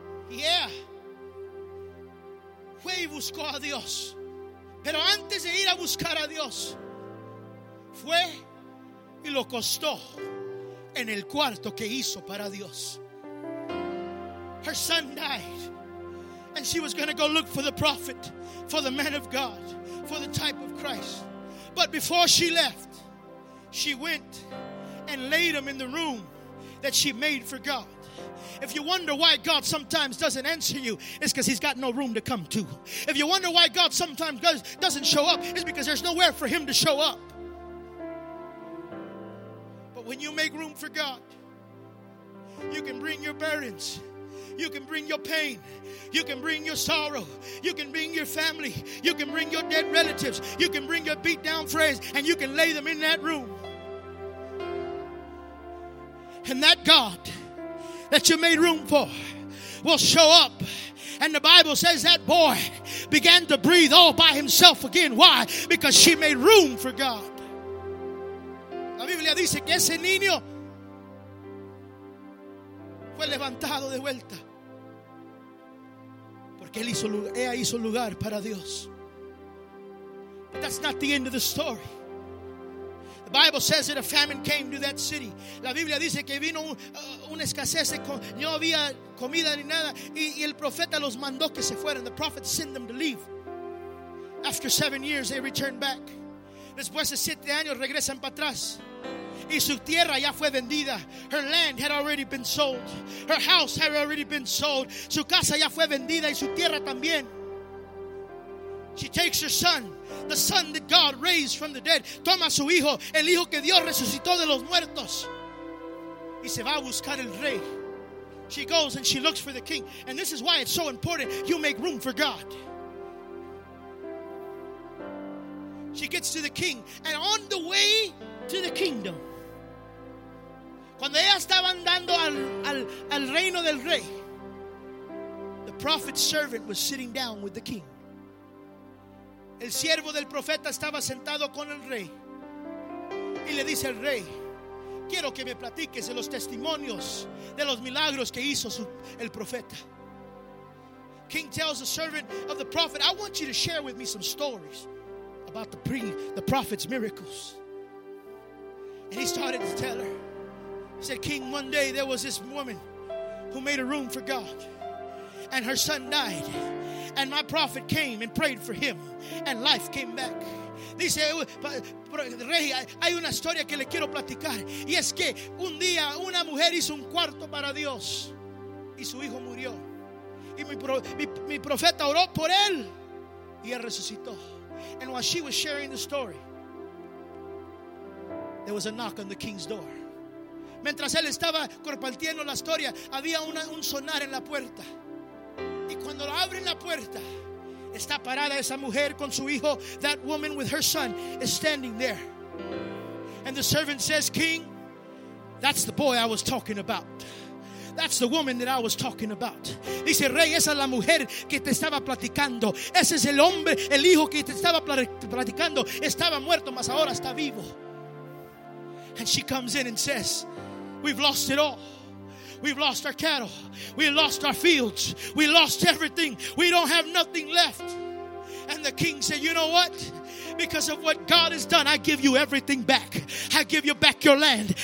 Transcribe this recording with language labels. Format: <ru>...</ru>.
<es>Yeah. Fue y buscó a Dios. Pero antes de ir a buscar a Dios, fue y lo acostó en el cuarto que hizo para Dios.</es> <en>Her son died. And she was going to go look for the prophet, for the man of God, for the type of Christ. But before she left, she went and laid him in the room that she made for God. If you wonder why God sometimes doesn't answer you, it's because he's got no room to come to. If you wonder why God sometimes doesn't show up, it's because there's nowhere for him to show up. But when you make room for God, you can bring your burdens. You can bring your pain. You can bring your sorrow. You can bring your family. You can bring your dead relatives. You can bring your beat down friends, and you can lay them in that room. And that God that you made room for will show up. And the Bible says that boy began to breathe all by himself again. Why? Because she made room for God.</en> <es>La Biblia dice que ese niño fue levantado de vuelta. Porque él hizo, ella hizo lugar para Dios.</es> <en>But that's not the end of the story. The Bible says that a famine came to that city.</en> <es>La Biblia dice que vino una escasez, no había comida ni nada, y el profeta los mandó que se fueran.</es> <en>The prophet sent them to leave. After 7 years, they returned back.</en> <es>Después de 7 años, regresan para atrás. Y su tierra ya fue vendida.</es> <en>Her land had already been sold. Her house had already been sold.</en> <es>Su casa ya fue vendida y su tierra también.</es> <en>She takes her son, the son that God raised from the dead.</en> <es>Toma su hijo, el hijo que Dios resucitó de los muertos. Y se va a buscar el rey.</es> <en>She goes and she looks for the king. And this is why it's so important you make room for God. She gets to the king. And on the way to the kingdom,</en> <es>cuando ella estaba andando al reino del rey,</es> <en>the prophet's servant was sitting down with the king.</en> <es>El siervo del profeta estaba sentado con el rey. Y le dice al rey, quiero que me platiques de los testimonios, de los milagros que hizo el profeta.</es> <en>King tells the servant of the prophet, I want you to share with me some stories about the prophet's miracles. And he started to tell her. He said, King, one day there was this woman who made a room for God. And her son died. And my prophet came and prayed for him. And life came back.</en> <es>Dice, rey, hay una historia que le quiero platicar. Y es que un día una mujer hizo un cuarto para Dios. Y su hijo murió. Y mi profeta oró por él. Y él resucitó.</es> <en>And while she was sharing the story, there was a knock on the king's door.</en> <es>Mientras él estaba compartiendo la historia, había un sonar en la puerta. Y cuando lo abren la puerta, está parada esa mujer con su hijo.</es> <en>That woman with her son is standing there. And the servant says, King, that's the boy I was talking about. That's the woman that I was talking about.</en> <es>Dice, rey, esa es la mujer que te estaba platicando. Ese es el hombre, el hijo que te estaba platicando. Estaba muerto, mas ahora está vivo.</es> <en>And she comes in and says, we've lost it all. We've lost our cattle. We lost our fields. We lost everything. We don't have nothing left. And the king said, you know what? because of what God has done. I give you everything back. I give you back your land.</en>